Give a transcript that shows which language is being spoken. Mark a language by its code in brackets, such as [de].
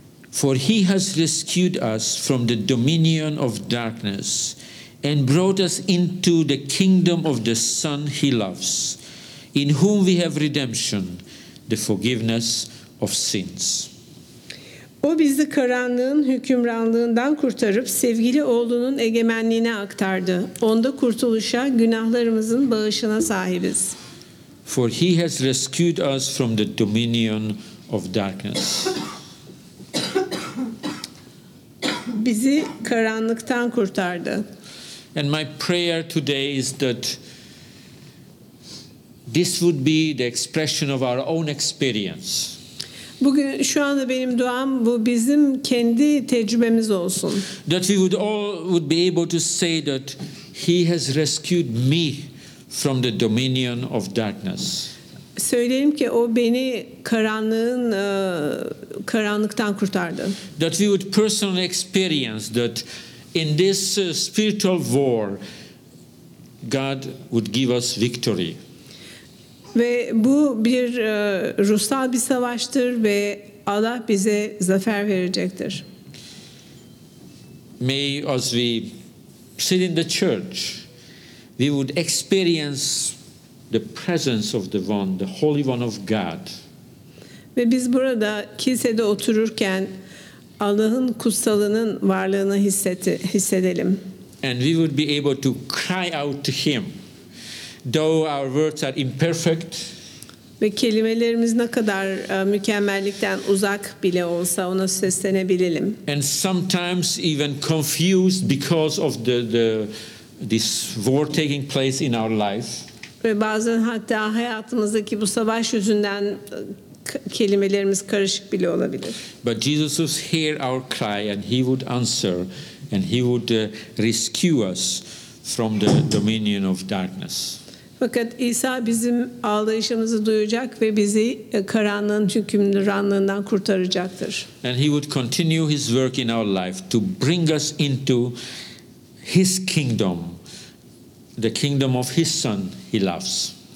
[en] For he has rescued us from the dominion of darkness and brought us into the kingdom of the Son he loves, in whom we have redemption, the forgiveness of sins. [tr] O bizi karanlığın hükümranlığından kurtarıp sevgili oğlunun egemenliğine aktardı. Onda kurtuluşa, günahlarımızın bağışına sahibiz. [en] For he has rescued us from the dominion of darkness. [tr] bizi karanlıktan kurtardı. [en] And my prayer today is that this would be the expression of our own experience. [tr] Bugün şu anda benim duam bu bizim kendi tecrübemiz olsun. [en] That we would all would be able to say that he has rescued me from the dominion of darkness. [tr] Söyleyeyim ki o beni karanlığın karanlıktan kurtardı. [en] That we would personally experience that in this spiritual war God would give us victory. [tr] Ve bu bir ruhsal bir savaştır ve Allah bize zafer verecektir. [en] May as we sit in the church we would experience the presence of the one, the Holy One of God. [tr] Ve biz burada kilisede otururken Allah'ın kutsalının varlığını hissedelim. [en] And we would be able to cry out to him. Though our words are imperfect, [tr] ve kelimelerimiz ne kadar mükemmellikten uzak bile olsa ona seslenebilelim. [en] And sometimes even confused because of this war taking place in our life. [tr] Ve bazen hatta hayatımızdaki bu savaş yüzünden kelimelerimiz karışık bile olabilir. [en] But Jesus would hear our cry and he would answer and he would rescue us from the dominion of darkness. [tr] Fakat İsa bizim ağlayışımızı duyacak ve bizi karanlığın hükümranlığından kurtaracaktır. [en] And he would continue his work in our life to bring us into his kingdom, the kingdom of his son he loves.